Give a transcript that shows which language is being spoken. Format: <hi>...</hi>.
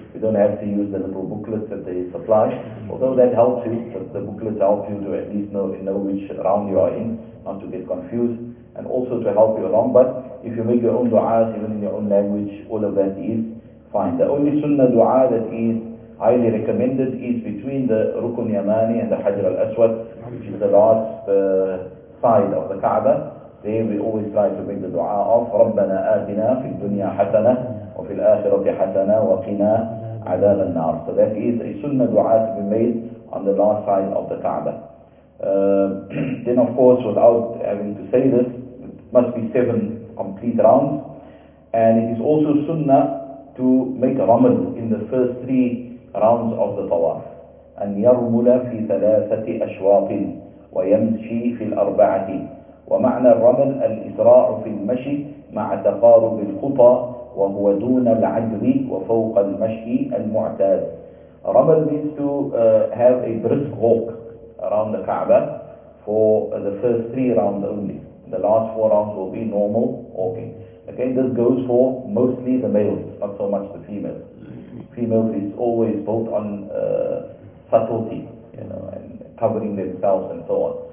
<en>You don't have to use the little booklets that they supply, although that helps you, but the booklets help you to at least know which round you are in, not to get confused, and also to help you along. But if you make your own du'as, even in your own language, all of that is fine. The only sunnah du'a that is highly recommended is between the Rukun Yamani and the Hajar al-Aswad, which is the last side of the Kaaba. There we always try to make the du'a of</en> <ar>رَبَّنَا آتِنَا فِي الدُّنْيَا حَسَنَةً وَفِي الْآخِرَةِ حَسَنَةً وَقِنَا عَذَابَ النَّارِ.</ar> <en>So that is a sunnah du'a to be made on the last side of the Kaaba. Then of course, without having to say this, it must be 7 complete rounds. And it is also sunnah to make ramal in the first 3 rounds of the tawaf.</en> <ar>أَنْ يَرْمُلَ فِي ثَلَاثَةِ أَشْوَاطٍ وَيَمْشِي فِي الْأَرْبَعَةِ. ومعنى الرمل الإسراع في المشي مع تقارب الخطى وهو دون العجل وفوق المشي المعتاد.</ar> <en>رمل means to have a brisk walk around the Kaaba for the first 3 rounds only. The last 4 rounds will be normal walking. Again, this goes for mostly the males, not so much the females. Females is always built on subtlety, you know, and covering themselves and so on.</en>